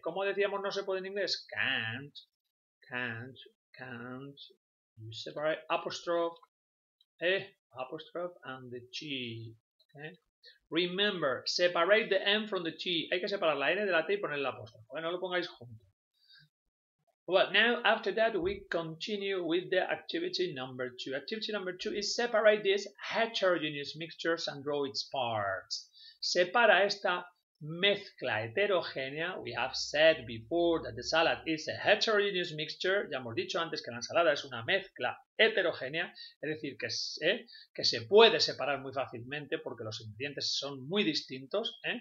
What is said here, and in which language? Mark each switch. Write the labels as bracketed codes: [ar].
[es] ¿Cómo decíamos no se puede en inglés? Can't. [en] You separate apostrophe and the T. Okay? Remember, separate the M from the T. [es] Hay que separar la N de la T y poner la apostrofe. Bueno, lo pongáis junto. [en] Well, now, after that, we continue with the activity number 2. Activity number 2 is separate these heterogeneous mixtures and draw its parts. [es] Separa esta mezcla heterogénea. [en] We have said before that the salad is a heterogeneous mixture. [es] Ya hemos dicho antes que la ensalada es una mezcla heterogénea. Es decir, que se puede separar muy fácilmente porque los ingredientes son muy distintos.